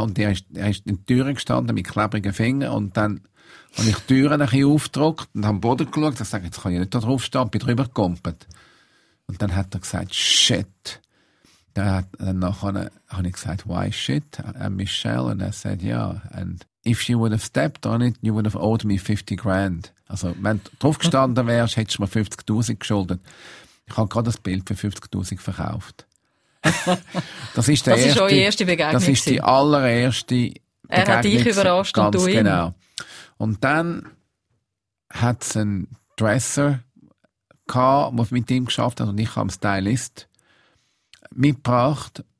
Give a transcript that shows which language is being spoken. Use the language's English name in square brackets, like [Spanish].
[German] Und er ist in die Türe gestanden mit klebrigen Fingern. Und dann habe ich die Türe ein bisschen aufgedruckt und am Boden geschaut. Ich sage, jetzt kann ich nicht da draufstehen, bin drüber gekumpelt. Und dann hat er gesagt, shit. Dann nachher habe ich gesagt, [English] why shit? And Michelle, [German] und er [English] said, yeah. And if you would have stepped on it, you would have owed me 50 grand. [German] Also wenn du drauf gestanden wärst, hättest du mir 50.000 geschuldet. Ich habe gerade das Bild für 50.000 verkauft. Das ist eure erste Begegnung. Das ist die allererste Begegnung. Er hat dich überrascht ganz und du genau. Ihn. Und dann hat es einen Dresser gehabt, der mit ihm geschafft hat. Und ich habe einen Stylist mitgebracht.